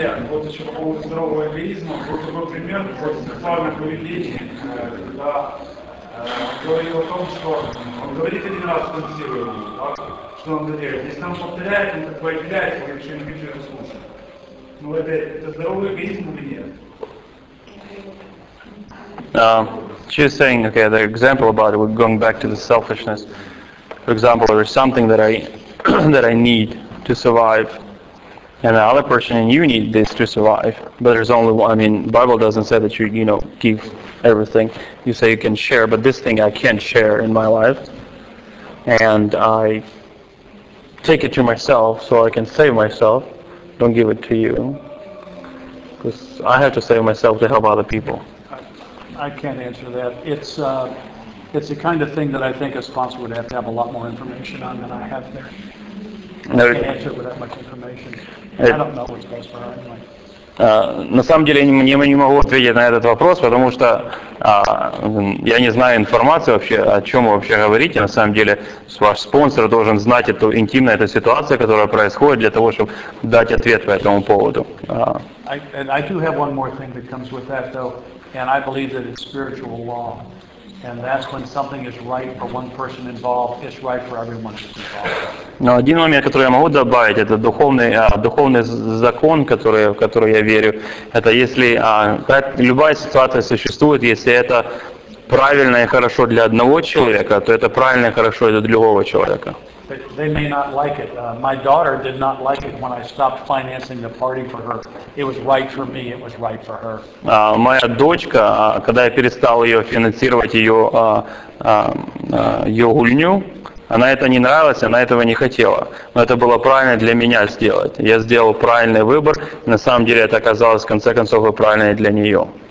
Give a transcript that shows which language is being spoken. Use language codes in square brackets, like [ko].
[ru] Вот еще по поводу здорового эгоизма. Вот такой пример, вот сексуальное поведение, когда говорил о том, что он говорит один раз, фантазирует, да, что надо делать. Если он повторяет, он как бы отделяет, я вообще не хочу его слушать. Но это здоровый эгоизм или нет? [en] She's saying, okay, the example about it, going back to the selfishness. For example, there's something that I need to survive, and the other person, and you need this to survive. But there's only one. I mean, Bible doesn't say that you give everything. You say you can share, but this thing I can't share in my life, and I take it to myself so I can save myself. Don't give it to you, because I have to save myself to help other people. I can't answer that. It's the kind of thing that I think a sponsor would have to have a lot more information on than I have there. [ru] На самом деле не могу ответить на этот вопрос, потому что я не знаю информации вообще, о чем вы вообще говорите. На самом деле ваш спонсор должен знать эту интимную эту ситуацию, которая происходит, для того, чтобы дать ответ по этому поводу. [en] I do have one more thing that comes with that, though, and I believe that it's spiritual law. And that's when something is right for one person involved, it's right for everyone involved. [ru] Но один момент, который я могу добавить, это духовный закон, который я верю, это если любая ситуация существует, если это правильно и хорошо для одного человека, то это правильно и хорошо для другого человека. [en] They may not like it. My daughter did not like it when I stopped financing the party for her. It was right for me. It was right for her. [ru] Моя дочка, когда я перестал ее финансировать ее гульню, она это не нравилась, она этого не хотела. Но это было правильно для меня сделать. Я сделал правильный выбор. На самом деле это оказалось в конце концов и правильное для нее.